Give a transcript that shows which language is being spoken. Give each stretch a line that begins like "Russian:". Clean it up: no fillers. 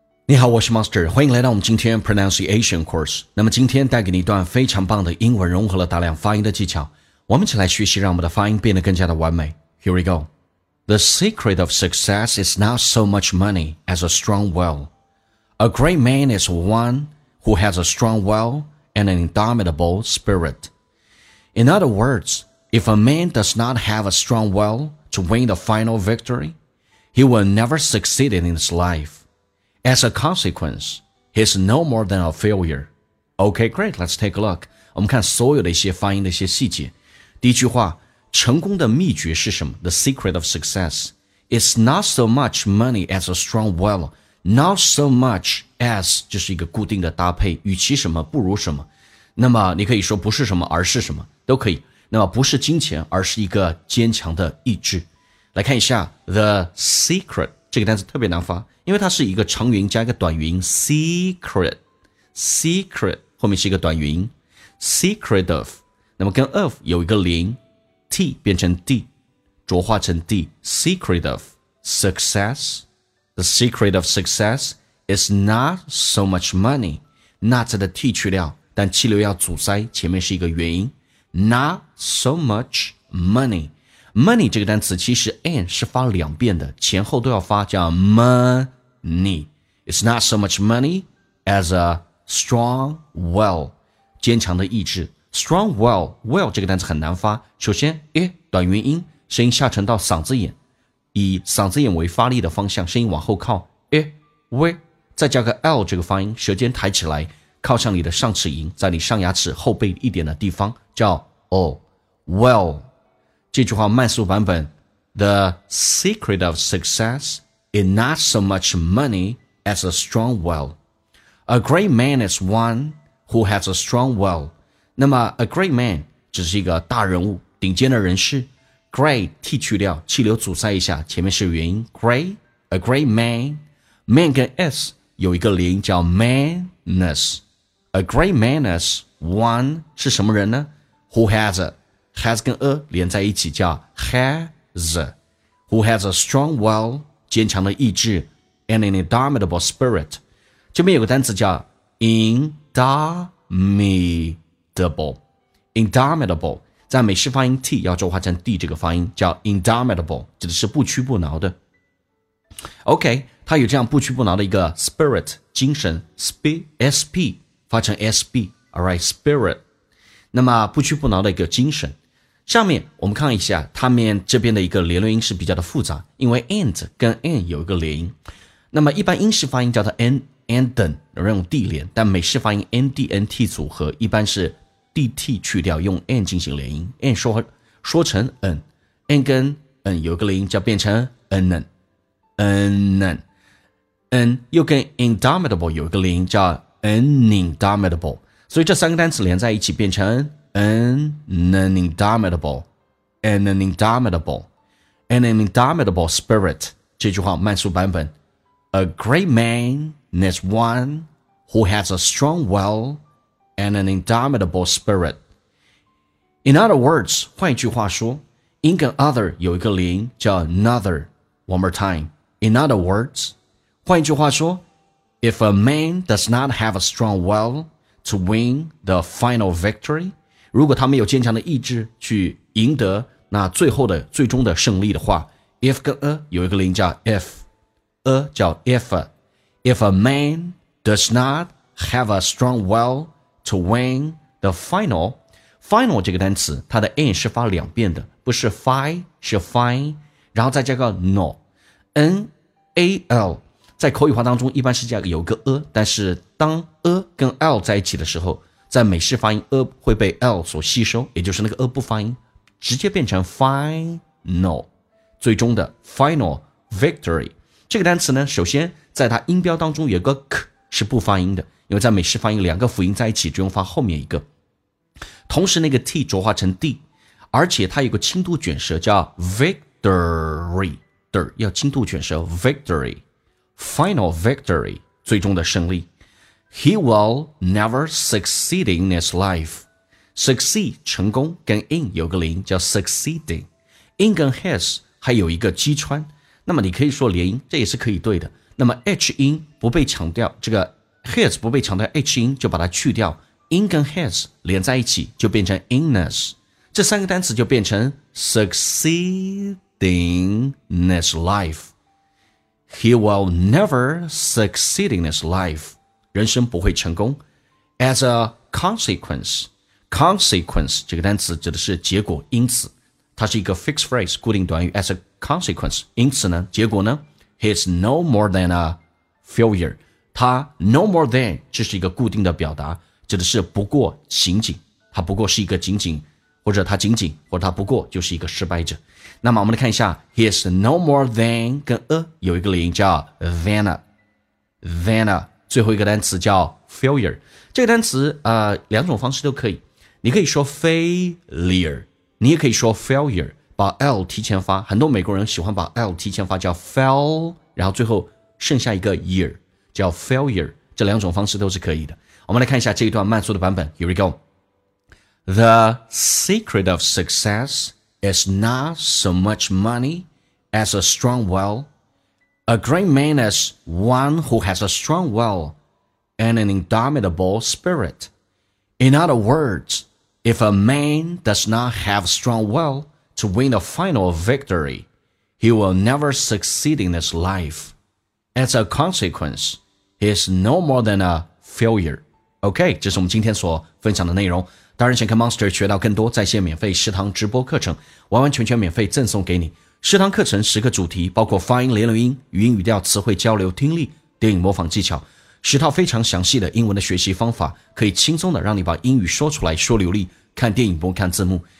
Chinese: 你好，我是 Monster， 欢迎来到我们今天 Pronunciation Course。那么今天带给你一段非常棒的英文，融合了大量发音的技巧，我们一起来学习，让我们的发音变得更加的完美。
English: Here we go. The secret of success is not so much money as a strong will. A great man is one who has a strong will and an indomitable spirit. In other words, if a man does not have a strong will to win the final victory, he will never succeed in his life. As a consequence, he's no more than a failure. Okay, great, let's take a look.
Chinese: 我们看所有的一些发音的一些细节。第一句话，成功的秘诀是什么？
English: The secret of success. It's not so much money as a strong will. Not so much as
Chinese: 就是一个固定的搭配，与其什么不如什么。那么你可以说不是什么而是什么，都可以。那么不是金钱而是一个坚强的意志。来看一下
English: the secret.
Chinese: 这个单词特别难发，因为它是一个长元音加一个短元音 secret， secret 后面是一个短元音 secret of， 那么跟 of 有一个连 t 变成 d， 浊化成 d， secret of success，
English: the secret of success is not so much money，
Chinese: not 的 t 去掉，但气流要阻塞，前面是一个元音，
English: not so much money。
Chinese: Money 这个单词其实 n 是发两遍的，前后都要发，叫 money。
English: It's not so much money as a strong will，
Chinese: 坚强的意志。 Strong will 这个单词很难发，首先 a 短元音，声音下沉到嗓子眼，以嗓子眼为发力的方向，声音往后靠 a w， 再加个 l 这个发音，舌尖抬起来，靠向你的上齿龈，在你上牙齿后背一点的地方，叫 o
English: will。
Chinese: 这句话慢速版本
English: The secret of success is not so much money as a strong will. A great man is one who has a strong will.
Chinese: 那么 a great man 只是一个大人物，顶尖的人士。 Great 剔去掉，气流阻塞一下，前面是元音 Great,
English: a great man.
Chinese: Man 跟 s 有一个连音叫 manness.
English: A great man is one
Chinese: 是什么人呢？
English: Who has aHas 跟 a 连在一起叫 has, who has a strong will,
Chinese: 坚强的意志
English: and an indomitable spirit.
Chinese: 这边有个单词叫
English: indomitable,
Chinese: indomitable, 在美式发音 t 要浊化成 d 这个发音，叫 indomitable, 指的是不屈不挠的。 OK, 它有这样不屈不挠的一个 spirit, 精神 sp, 发成 sb, alright, spirit, 那么不屈不挠的一个精神。下面我们看一下他们这边的一个连论音是比较的复杂，因为 and 跟 an 有一个连音，那么一般英式发音叫它 an anden， 用 d 连，但美式发音 ndnt 组合一般是 dt 去掉，用 an 进行连音， an 说成 an， an 跟 an 有一个连音，叫变成 anen，
English: anen，
Chinese: an 又跟 indomitable 有一个连音，叫 anindomitable， 所以这三个单词连在一起变成An indomitable
English: spirit.
Chinese: 这句话慢速版本
English: A great man is one who has a strong will and an indomitable spirit. In other words,
Chinese: 换一句话说
English: in 跟 other 有一个连叫 another. One more time. In other words,
Chinese: 换一句话说
English: if a man does not have a strong will to win the final victory,
Chinese: 如果他没有坚强的意志去赢得那最后的最终的胜利的话 if 跟 a 有一个连叫 if a 叫 if
English: if a man does not have a strong will to win the final
Chinese: final 这个单词它的 n 是发两遍的，不是 fi 是 fine， 然后再加个 no
English: n a l，
Chinese: 在口语化当中一般是加有个 a， 但是当 a 跟 l 在一起的时候，在美式发音 a 会被 l 所吸收，也就是那个 a 不发音，直接变成 final， 最终的 final victory。这个单词呢，首先在它音标当中有个 k 是不发音的，因为在美式发音两个辅音在一起只用发后面一个，同时那个 t 浊化成 d， 而且它有个轻度卷舌叫 victory， 要轻度卷舌 victory，
English: final victory，
Chinese: 最终的胜利。
English: He will never succeed in his life.
Chinese: Succeed 成功跟 in 有个连叫 succeeding. In 跟 has 还有一个击穿，那么你可以说连音，这也是可以对的，那么 H 音不被强调，这个 has 不被强调， H 音就把它去掉， in 跟 has 连在一起就变成 inness， 这三个单词就变成 succeeding in his life。
English: He will never succeed in his life，
Chinese: 人生不会成功。
English: As a consequence，
Chinese: consequence 这个单词指的是结果，因此它是一个 fixed phrase 固定短语。
English: As a consequence，
Chinese: 因此呢，结果呢，
English: He's no more than a failure.
Chinese: 他 no more than 这是一个固定的表达，指的是不过仅仅，他不过是一个仅仅，或者他仅仅，或者他不过就是一个失败者。那么我们来看一下 He's no more than 跟 a 有一个连叫 than a， than a 最后一个单词叫 failure。这个单词两种方式都可以，你可以说 failure， 你也可以说 failure，把 L 提前发，很多美国人喜欢把 L 提前发叫 fail， 然后最后剩下一个 year 叫 failure， 这两种方式都是可以的。我们来看一下这一段慢速的版本，
English: Here we go。 The secret of success is not so much money as a strong will. A great man is one who has a strong will and an indomitable spirit. In other words, if a man does not have strong willTo win a final victory, he will never succeed in his life. As a consequence, he is no more than a failure.
Chinese: OK, 这是我们今天所分享的内容。当然想跟 Monster 学到更多在线免费食堂直播课程，完完全全免费赠送给你。食堂课程十个主题，包括发音、连轮音、语音语调、词汇交流、听力、电影模仿技巧，十套非常详细的英文的学习方法，可以轻松的让你把英语说出来，说流利，看电影不用看字幕。